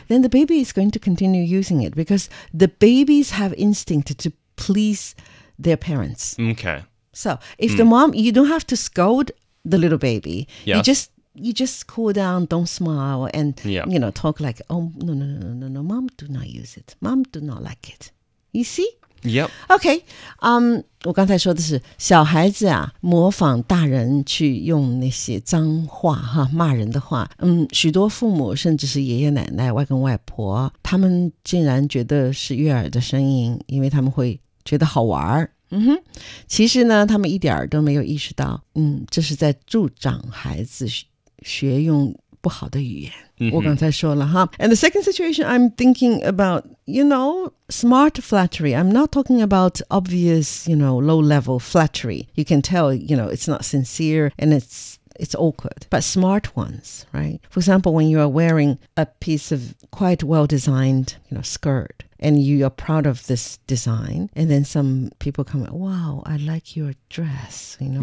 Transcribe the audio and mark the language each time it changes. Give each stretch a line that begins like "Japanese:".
English: then the baby is going to continue using it because the babies have instinct to please their parents. Okay. So if the mom, you don't have to scold the little baby. Yes. You just cool down, don't smile, and yep. you know, talk like, oh, no, mom, do not use it. Mom, do not like it. You see? Yep. Okay.
Chinese: 我刚才说的是小孩子啊模仿大人去用那些脏话哈骂人的话。许多父母甚至是爷爷奶奶外公外婆他们竟然觉得是悦耳的声音因为他们会觉得好玩。嗯哼其实呢他们一点都没有意识到这是在助长孩子学用不好的语言。 Mm-hmm. 我刚才说了哈。
English: And the second situation I'm thinking about, you know, smart flattery. I'm not talking about obvious, you know, low-level flattery. You can tell, you know, it's not sincere and it's awkward. But smart ones, right? For example, when you are wearing a piece of quite well-designed, you know, skirt and you are proud of this design and then some people come, wow, I like your dress, you know,